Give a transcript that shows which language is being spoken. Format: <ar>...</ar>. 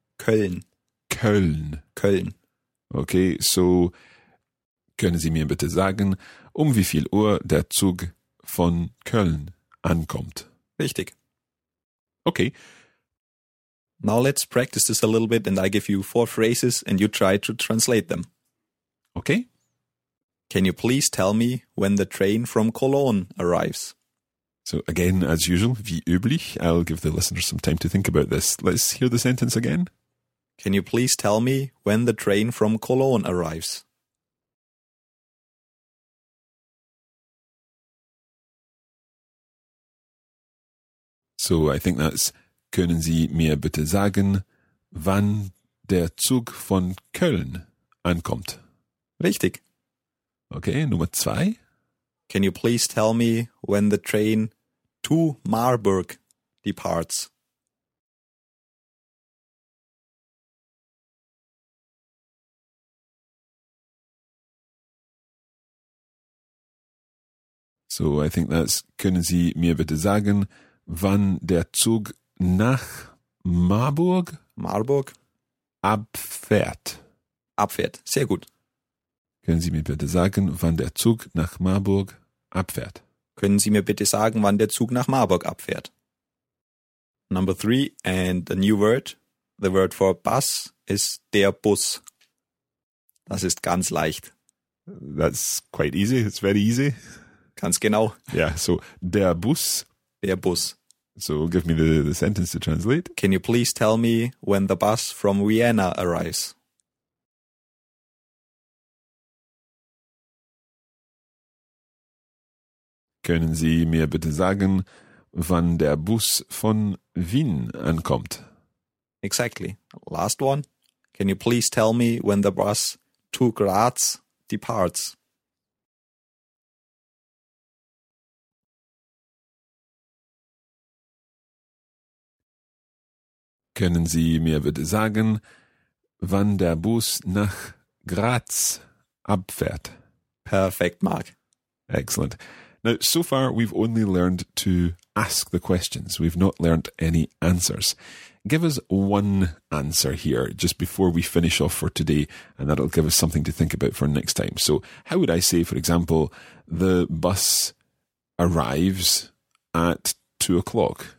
<de>Köln. Köln. Köln. Okay, so können Sie mir bitte sagen, um wie viel Uhr der Zug von Köln ankommt? Richtig.</de> <en>Okay. Now let's practice this a little bit and I give you four phrases and you try to translate them. Okay. Can you please tell me when the train from Cologne arrives? So again, as usual,</en> <de>wie üblich,</de> <en>I'll give the listeners some time to think about this. Let's hear the sentence again. Can you please tell me when the train from Cologne arrives? So I think that's,</en> <de>können Sie mir bitte sagen, wann der Zug von Köln ankommt? Richtig. Okay, Nummer zwei.</de> <en>Can you please tell me when the train to Marburg departs? So I think that's,</en> <de>können Sie mir bitte sagen, wann der Zug nach Marburg abfährt. Abfährt, sehr gut. Können Sie mir bitte sagen, wann der Zug nach Marburg abfährt? Können Sie mir bitte sagen, wann der Zug nach Marburg abfährt?</de> <en>Number three and a new word. The word for bus is der Bus.</en> <de>Das ist ganz leicht.</de> <en>That's quite easy. It's very easy.</en> <de>Ganz genau.</de> <en>Yeah, so der Bus.</en> <de>Der Bus.</de> <en>So give me the sentence to translate. Can you please tell me when the bus from Vienna arrives?</en> <de>Können Sie mir bitte sagen, wann der Bus von Wien ankommt?</de> <en>Exactly. Last one. Can you please tell me when the bus to Graz departs?</en> <de>Können Sie mir bitte sagen, wann der Bus nach Graz abfährt?</de> <en>Perfect, Mark. Excellent. Now, so far, we've only learned to ask the questions. We've not learned any answers. Give us one answer here, just before we finish off for today, and that'll give us something to think about for next time. So, how would I say, for example, the bus arrives at 2 o'clock?</en>